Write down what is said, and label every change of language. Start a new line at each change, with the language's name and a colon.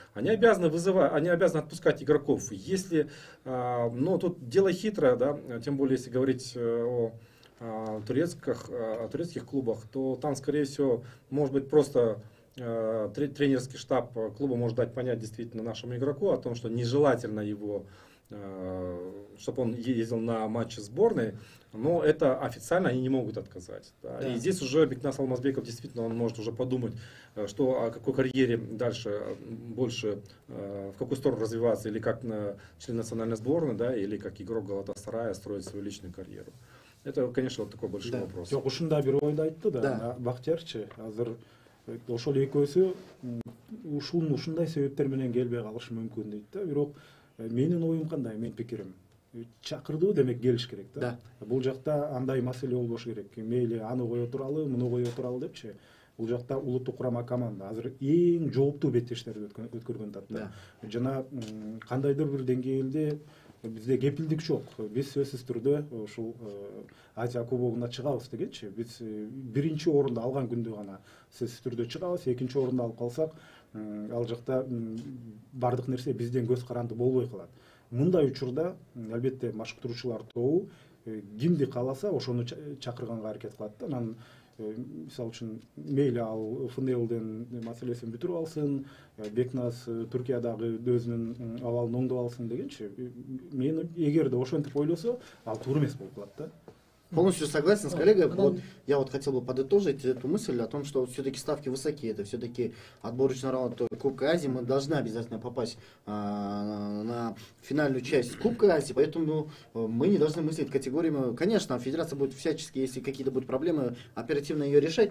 Russian: Они обязаны вызывать, они обязаны отпускать игроков. Если, ну, тут дело хитрое, да, тем более, если говорить о турецких клубах, то там, скорее всего, может быть, просто тренерский штаб клуба может дать понять действительно нашему игроку о том, что нежелательно его, чтобы он ездил на матчи сборной, но это официально они не могут отказать. Да? Да. И здесь уже Бекназ Алмазбеков действительно он может уже подумать, что о какой карьере дальше больше, в какую сторону развиваться, или как член национальной сборной, да, или как игрок Галатасарая строить свою личную карьеру. Это, конечно, вот такой большой вопрос.
Kyrgyz: Жок, ушундай бир ойду айтты да, Бахтерчи. Азыр ошол экөөсү ушундай себептер менен келбей калышы мүмкүн дейт да. Бирок менин оюм кандай, менин пикирим. Чакырды демек келиш керек да. Бул жакта андай маселе болбош керек. Мейли аны кое туралы, муну кое туралы депчи. Бул жакта улуттук курама команда азыр эң жооптуу беттештерди өткөргөн тапта.
Russian: Да.
Kyrgyz: Жана кандайдыр бир деңгээлде бизде кепилдик жок. Биз сөзсүз түрдө ушул Азия Кубогуна чыгабыз дегенчи. Биз биринчи орунду алган күндө гана сөзсүз түрдө чыгабыз. Экинчи орунду алып калсак, ал жакта бардык нерсе бизден көз каранды болбой калат. Мындай учурда албетте машыктыруучулар тобу кимди кааласа ошону чакырганга аракет кылат да. Анан мисалы үчүн мейли ал ФНЛдин маселесин бүтүрүп алсын, Бекназ Түркиядагы өзүнүн абалын оңдоп алсын дегенчи. Мен эгерде ошентип ойлосо, ал туура эмес болуп калат да.
Russian: Полностью согласен с коллегой. Вот я вот хотел бы подытожить эту мысль о том, что все-таки ставки высоки. Это все-таки отборочный раунд Кубка Азии. Мы должны обязательно попасть на финальную часть Кубка Азии. Поэтому мы не должны мыслить категориями. Конечно, федерация будет всячески, если какие-то будут проблемы, оперативно ее решать.